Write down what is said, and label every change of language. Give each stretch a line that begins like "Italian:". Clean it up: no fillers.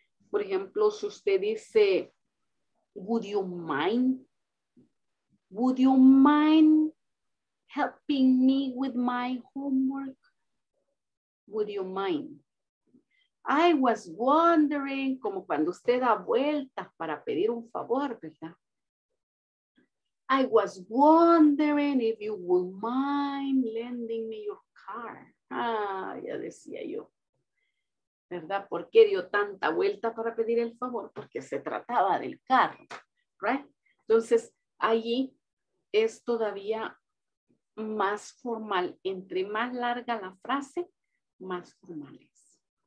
Spanish: Por ejemplo, si usted dice,
English: would you mind helping me with my homework? Would you mind? I was wondering,
Spanish: como cuando usted da vueltas para pedir un favor, ¿verdad?
English: I was wondering if you would mind lending me your car.
Spanish: Ah, ya decía yo, ¿verdad? ¿Por qué dio tanta vuelta para pedir el favor? Porque se trataba del carro, ¿right? Entonces, allí es todavía más formal. Entre más larga la frase, más formal es.